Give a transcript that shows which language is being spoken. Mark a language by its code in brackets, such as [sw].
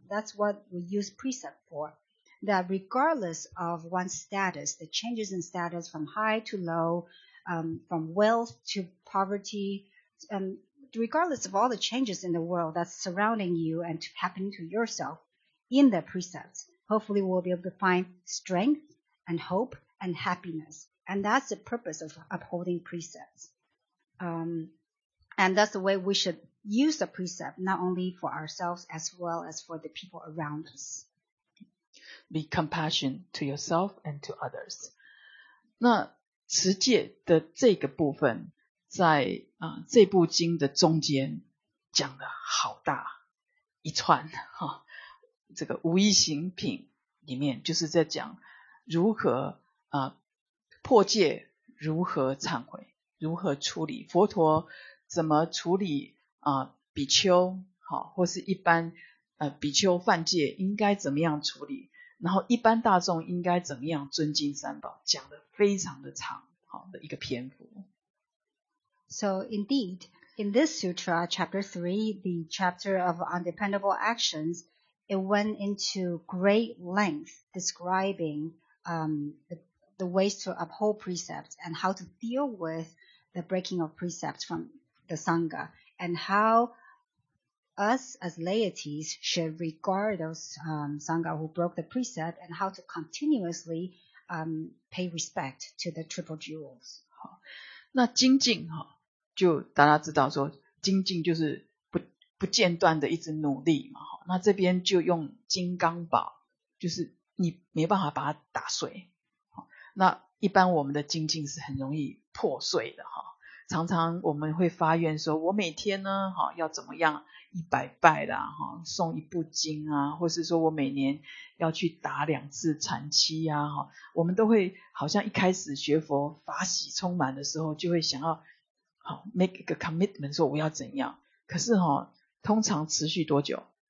[en] That's what we use precept for, that regardless of one's status, the changes in status from high to low, from wealth to poverty, regardless of all the changes in the world that's surrounding you and happening to yourself in the precepts, hopefully we'll be able to find strength and hope and happiness. And that's the purpose of upholding precepts. And that's the way we should use the precept, not only for ourselves as well as for the people around us. Be compassionate to yourself and to others. [zh] 那持戒的这个部分在这部经的中间讲的好大一串哈，这个无一行品里面就是在讲如何破戒，如何忏悔，如何处理佛陀怎么处理比丘好，或是一般比丘犯戒应该怎么样处理，然后一般大众应该怎么样尊敬三宝，讲的非常的长好的一个篇幅。 [en] So indeed, in this sutra, chapter 3, the chapter of undependable actions, it went into great length describing the ways to uphold precepts and how to deal with the breaking of precepts from the Sangha and how us as laities should regard those Sangha who broke the precept and how to continuously pay respect to the Triple Jewels. [zh] 那精进哈，就大家知道说精进就是不间断的一直努力嘛，那这边就用金刚宝，就是你没办法把它打碎，那一般我们的精进是很容易破碎的，常常我们会发愿说我每天呢要怎么样一百拜啦，送一部经啊，或是说我每年要去打两次禅期啊，我们都会好像一开始学佛法喜充满的时候就会想要好 make 一个 commitment 说我要怎样，可是通常持续多久